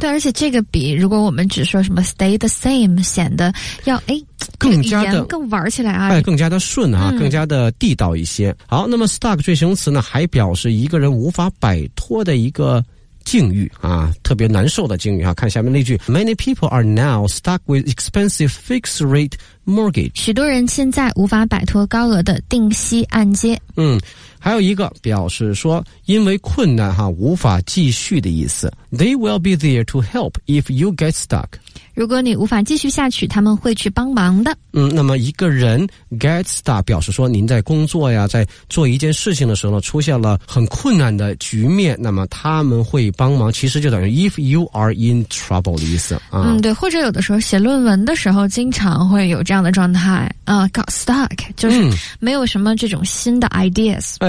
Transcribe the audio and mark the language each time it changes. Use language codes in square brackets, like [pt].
[zh] 对，而且这个比如果我们只说什么 [en] stay the same [zh] 显得要更加的更玩起来啊，更加的顺啊，更加的地道一些。好，那么 stuck 这形容词呢还表示一个人无法摆脱的一个境遇啊，特别难受的境遇啊。看下面那句 [en] Many people are now stuck with expensive fixed rate mortgage， [zh] 许多人现在无法摆脱高额的定息按揭。还有一个表示说因为困难哈，无法继续的意思。 [en] They will be there to help if you get stuck， [zh] 如果你无法继续下去，他们会去帮忙的。那么一个人 get stuck 表示说您在工作呀，在做一件事情的时候呢，出现了很困难的局面，那么他们会帮忙，其实就等于 [en] if you are in trouble [zh] 的意思啊。对，或者有的时候写论文的时候经常会有这样的状态啊， got stuck， 就是没有什么这种新的 ideas。